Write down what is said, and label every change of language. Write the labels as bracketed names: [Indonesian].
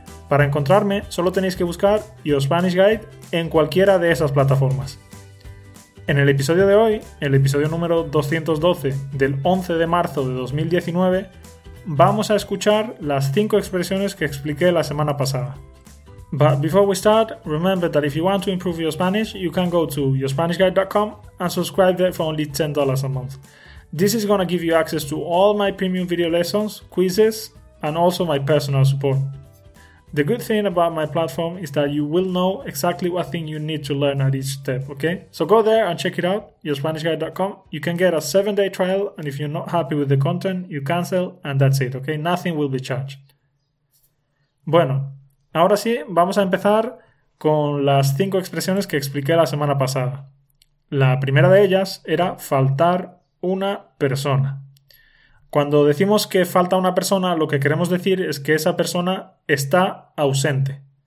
[Spanish] Para encontrarme, solo tenéis que buscar Your Spanish Guide en cualquiera de esas plataformas. En el episodio de hoy, el episodio número 212 del 11 de marzo de 2019, vamos a escuchar las 5 expresiones que expliqué la semana pasada. [English] But before we start, remember that if you want to improve your Spanish, you can go to yourspanishguide.com and subscribe there for only $10 a month. This is going to give you access to all my premium video lessons, quizzes, and also my personal support. The good thing about my platform is that you will know exactly what thing you need to learn at each step, okay? So go there and check it out, yourspanishguide.com. You can get a 7-day trial, and if you're not happy with the content, you cancel, and that's it, okay? Nothing will be charged. [Spanish] Bueno, ahora sí, vamos a empezar con las 5 expresiones que expliqué la semana pasada. La primera de ellas era faltar una persona. Cuando decimos que falta una persona, lo que queremos decir es que esa persona está ausente.